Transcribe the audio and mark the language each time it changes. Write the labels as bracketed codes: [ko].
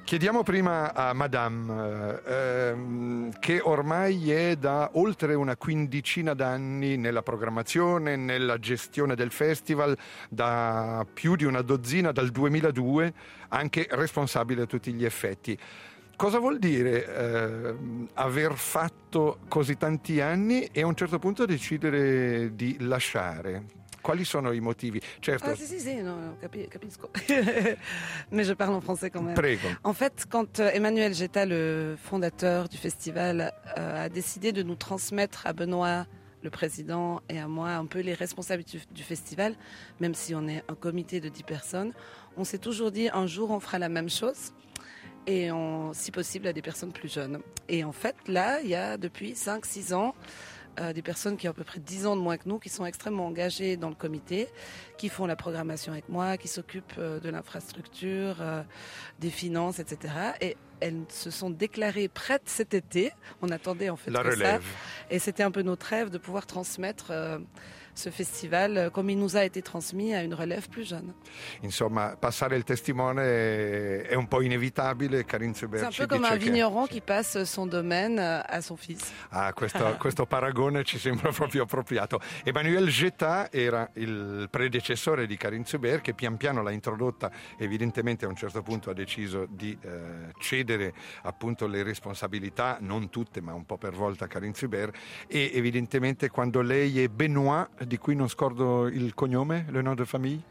[it] Chiediamo prima a Madame, che ormai è da oltre una quindicina d'anni nella programmazione, nella gestione del festival, da più di una dozzina, dal 2002, anche responsabile a tutti gli effetti. Cosa vuol dire aver fatto così tanti anni e a un certo punto decidere di lasciare? Quali sono i motivi? Certo. Ah, sì, no, capisco. [fr] Ma je parle en français quand même. [it] Prego. [fr] En fait, quand Emmanuel Geta, le fondateur du festival, a décidé de nous transmettre à Benoît, le président, et à moi un peu les responsabilités du festival, même si on est un comité de 10 personnes, on s'est toujours dit un jour on fera la même chose. Et on, si possible, à des personnes plus jeunes. Et en fait, là, il y a depuis 5-6 ans, des personnes qui ont à peu près 10 ans de moins que nous, qui sont extrêmement engagées dans le comité, qui font la programmation avec moi, qui s'occupent de l'infrastructure, des finances, etc. Et elles se sont déclarées prêtes cet été. On attendait en fait la que relève. Ça. Et c'était un peu notre rêve de pouvoir transmettre ce festival comme il nous a été transmis à une relève plus jeune. [it] Insomma, passare il testimone è un po' inevitabile, Karine Zuber. [fr] C'est un peu comme un vigneron qui passe son domaine à son fils. [it] Ah, questo paragone ci sembra proprio appropriato. Emmanuel Geta era il predecessore di Karine Zuber, che pian piano l'ha introdotta, evidentemente a un certo punto ha deciso di cedere appunto le responsabilità, non tutte, ma un po' per volta a Karine Zuber, e evidentemente quando lei e Benoît, di cui non scordo il cognome, [fr] le nom de famille?